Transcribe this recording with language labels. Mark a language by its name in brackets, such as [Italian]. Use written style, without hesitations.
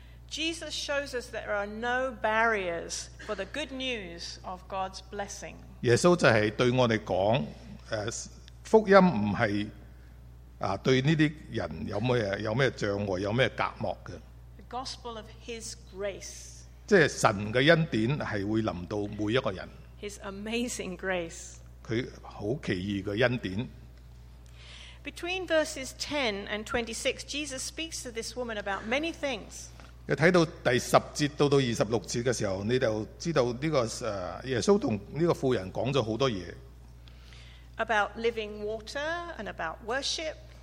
[English] Jesus shows us there are no barriers for the good news of God's blessing. [Chinese] 耶稣就是对我们说,福音不是对这些人有什么障碍,有什么隔膜的。 [English] Gospel of His grace. [Chinese] 即是神的恩典是会临到每一个人。 [English] His amazing grace. [Chinese] 他很奇异的恩典。 [English] Between verses 10 and 26, Jesus speaks to this woman about many things. [Chinese] 看到第十节到26节的时候, 你就知道耶稣跟这个妇人讲了很多话。 [English] About living water and about worship.